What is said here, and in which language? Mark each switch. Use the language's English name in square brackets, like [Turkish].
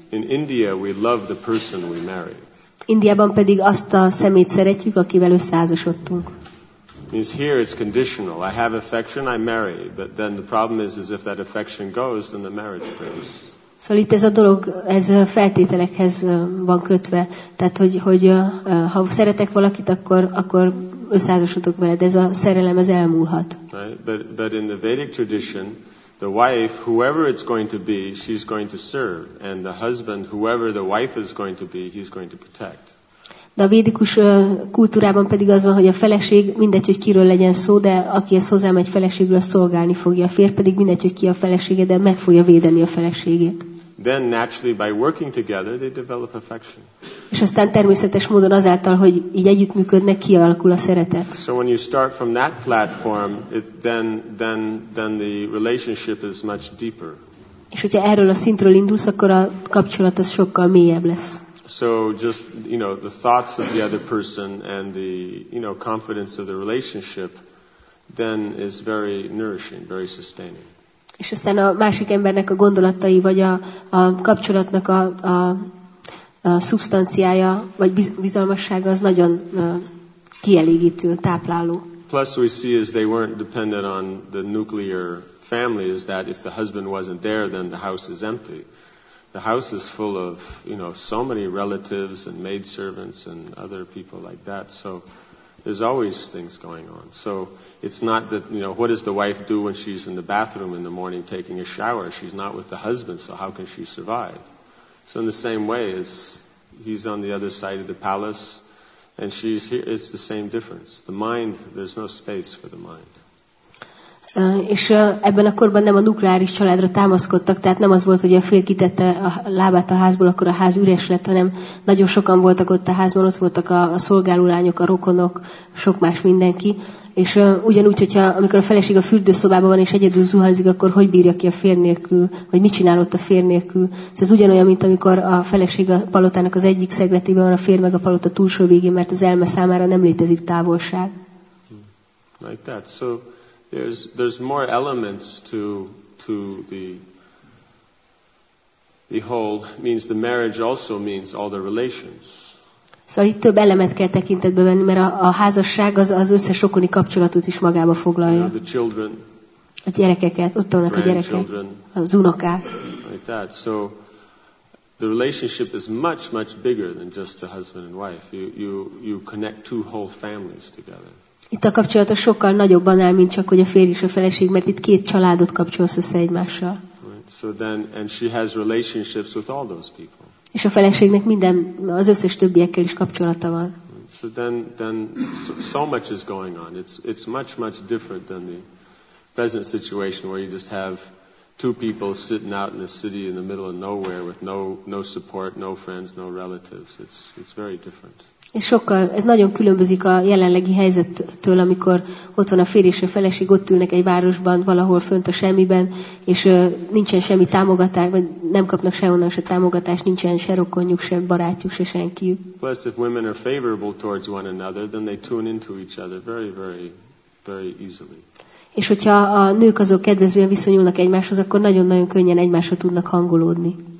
[English] In India, we love the person we marry. [Hungarian] Indiában pedig azt a szemét szeretjük, akivel összeházasodtunk. [English] Means here it's conditional. I have affection, I marry. But then the problem is if that affection goes, then the marriage breaks. [Hungarian] Szóval itt ez a dolog, ez feltételekhez van kötve. Tehát, hogy ha szeretek valakit, akkor összeházasodok vele. De ez a szerelem, ez elmúlhat. [English] Right? But in the Vedic tradition, the wife, whoever it's going to be, she's going to serve. And the husband, whoever the wife is going to be, he's going to protect. [Hungarian] De a védikus kultúrában pedig az van, hogy a feleség, mindegy, hogy kiről legyen szó, de aki ezt hozzámegy feleségről, szolgálni fogja. A férj pedig mindegy, hogy ki a felesége, de meg fogja védeni a feleségét. [English] Then naturally by working together they develop affection. [Hungarian] És aztán természetes módon azáltal, hogy így együttműködnek, kialakul a szeretet. [English] So when you start from that platform, then the relationship is much deeper. [Hungarian] És hogyha erről a szintről indulsz, akkor a kapcsolat az sokkal mélyebb lesz. [English] So just, you know, the thoughts of the other person and the, you know, confidence of the relationship then is very nourishing, very sustaining. [Hungarian] És aztán a másik embernek a gondolatai, vagy a kapcsolatnak a szubstanciája, vagy bizalmassága az nagyon kielégítő, tápláló. [English] Plus we see is they weren't dependent on the nuclear family, is that if the husband wasn't there, then the house is empty. The house is full of, you know, so many relatives and maidservants and other people like that, so there's always things going on. So it's not that, you know, what does the wife do when she's in the bathroom in the morning taking a shower? She's not with the husband, so how can she survive? So in the same way, he's on the other side of the palace, and she's here, it's the same difference. The mind, there's no space for the mind. [Hungarian] És ebben a korban nem a nukleáris családra támaszkodtak, tehát nem az volt, hogy a fél kitette a lábát a házból, akkor a ház üres lett, hanem nagyon sokan voltak ott a házban, ott voltak a szolgálólányok, a rokonok, sok más mindenki. És ugyanúgy, hogyha amikor a feleség a fürdőszobában van, és egyedül zuhanyzik, akkor hogy bírja ki a férj nélkül, vagy mit csinál ott a férj nélkül? Szóval ez ugyanolyan, mint amikor a feleség a palotának az egyik szegletében van, a férj meg a palota túlsó végén, mert az elme számára nem létezik távolság. [English] Like that. So there's more elements to the whole, means the marriage also means all the relations. [Hungarian] Szóval itt több elemet kell tekintetbe venni, mert a házasság az összes rokoni kapcsolatot is magába foglalja. [English] You know, the children, [Hungarian] a gyerekeket, ott vannak a gyerekek, az unokák. [English] Like that. So the relationship is much, much bigger than just the husband and wife. You connect two whole families together. [Hungarian] Itt a kapcsolat a sokkal nagyobb annál, mint csak, hogy a férj és a feleség, mert itt két családot kapcsolsz össze egymással. [English] Right. So then, and she has relationships with all those people. [Hungarian] És a feleségnek minden, az összes többiekkel is kapcsolata van. [English] So then so much is going on. It's much, much different than the present situation where you just have two people sitting out in a city in the middle of nowhere with no support, no friends, no relatives. It's very different. [Hungarian] És sokkal, ez nagyon különbözik a jelenlegi helyzettől, amikor ott van a férj és a feleség, ott ülnek egy városban, valahol fönt a semmiben, és nincsen semmi támogatás, vagy nem kapnak sehonnan se támogatást, nincsen se rokonjuk, se barátjuk, se senkiük. [English] Plus, if women are favorable towards one another, then they tune into each other very, very, very easily. [Hungarian] És hogyha a nők azok kedvezően viszonyulnak egymáshoz, akkor nagyon-nagyon könnyen egymásra tudnak hangolódni.